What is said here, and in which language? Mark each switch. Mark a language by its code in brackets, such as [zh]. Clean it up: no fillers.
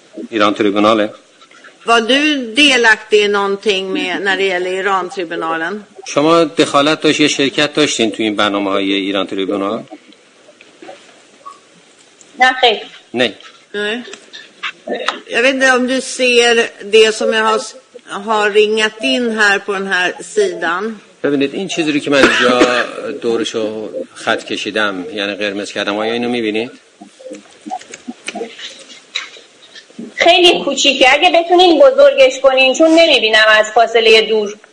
[fa] ایران تریبوناله. [sv] Var du delaktig i någonting med när det gäller Iran-tribunalen? [fa] شما دخالت داشت یه شرکت داشتین تو این برنامه های ایران تریبونال؟ نه خیر. نه. [sv] Jag vet inte om du ser det som jag har ringat in här på den här sidan. [fa] ببینید این چیزی که من اینجا دورش رو خط کشیدم یعنی قرمز کردم آیا اینو میبینید؟ خیلی کوچیکه اگه بتونین بزرگش کنین چون نمیبینم از فاصله دور